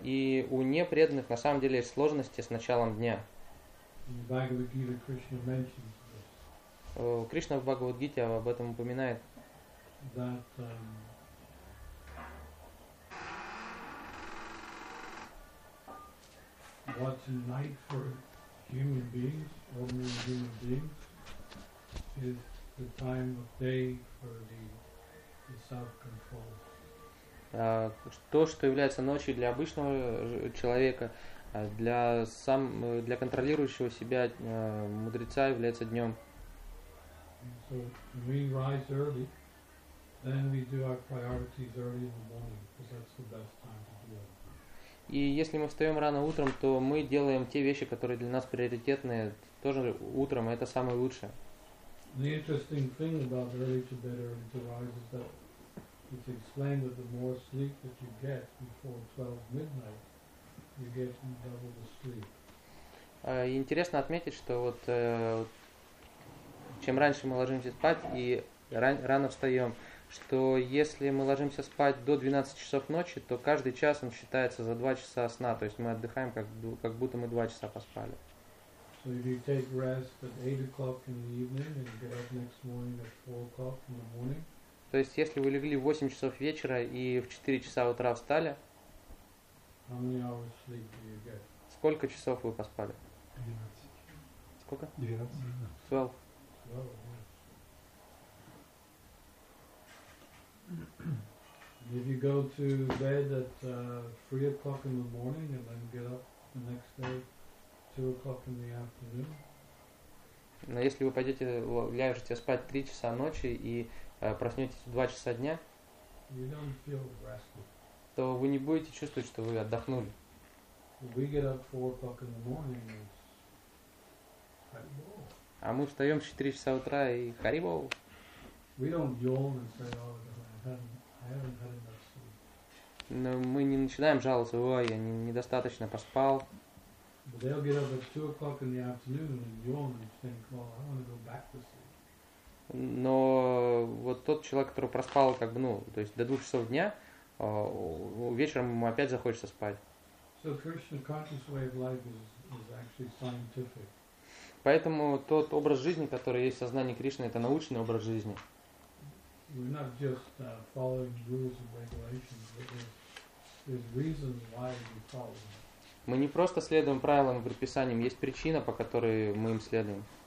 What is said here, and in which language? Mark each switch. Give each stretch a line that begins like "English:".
Russian: И у непреданных на самом деле есть сложности с началом дня.
English: In the Bhagavad Gita, Krishna mentions this.
Russian: Кришна в Бхагавад-гите об этом упоминает.
English: That, what's in night for human beings, ordinary human beings, is the time of day for the self-control.
Russian: То, что является ночью для обычного человека, для контролирующего себя мудреца является днем.
English: So we rise early, then we do our priorities early in the morning, because that's the best time to do it.
Russian: И если мы встаем рано утром, то мы делаем те вещи, которые для нас приоритетные, тоже утром, и это самое лучшее.
English: The interesting thing about early to bed, early to rise is that it's explained that the more sleep that you get before 12 midnight, you get double the sleep.
Russian: Интересно отметить, что вот чем раньше мы ложимся спать и рано встаем, что если мы ложимся спать до 12 часов ночи, то каждый час он считается за 2 часа сна, то есть мы отдыхаем, как будто мы 2 часа поспали.
English: So if you take rest at 8 o'clock in the evening and get up next morning at 4 o'clock in the morning.
Russian: То есть если вы легли в 8 часов вечера и в 4 часа утра встали,
English: how many hours sleep do you get?
Russian: Сколько часов вы поспали? 12. Сколько? 12. 12.
English: If you go to bed at 3 o'clock in the morning and then get up the next day 2 o'clock in the afternoon.
Russian: Но если вы пойдете ляжете спать 3 часа ночи и проснетесь в 2 часа дня,
English: you don't feel rested.
Russian: То вы не будете чувствовать, что вы отдохнули.
English: We get up 4 o'clock in the morning and it's haribo.
Russian: А мы встаем в 4 часа утра и харибо.
English: We don't yawn and say, oh, I haven't had enough sleep.
Russian: Но мы не начинаем жаловаться, ой, я недостаточно поспал.
English: They'll get up at 2 o'clock in the afternoon and yawn and think, well, I want to go back to sleep.
Russian: Но вот тот человек, который проспал, как бы, ну, то есть до 2 часов дня, вечером ему опять захочется спать.
English: So Krishna conscious way of life is actually scientific.
Russian: Поэтому тот образ жизни, который есть в сознании Кришны, это научный образ жизни.
English: We're not just following rules and regulations, but there's reasons why we follow them.
Russian: Мы не просто следуем правилам и предписаниям, есть причина, по которой мы им следуем.